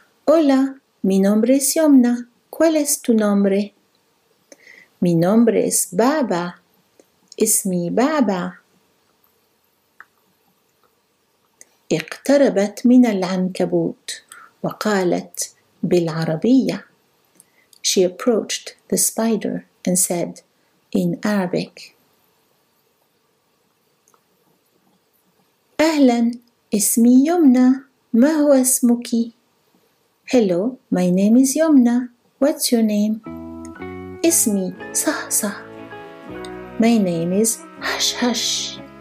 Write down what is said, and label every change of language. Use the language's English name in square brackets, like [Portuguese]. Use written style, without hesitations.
[Spanish] Hola, mi nombre es يمنى. ¿Cuál es tu nombre? Mi nombre es بعبع. [Arabic] اسمي بعبع. اقتربت من العنكبوت وقالت بالعربية. [English] She approached the spider and said in Arabic. [Arabic] أهلا اسمي يمنى ما هو اسمك؟ [English] Hello, my name is يمنى. What's your name? [Arabic] اسمي صحصح. [English] My name is هشهش.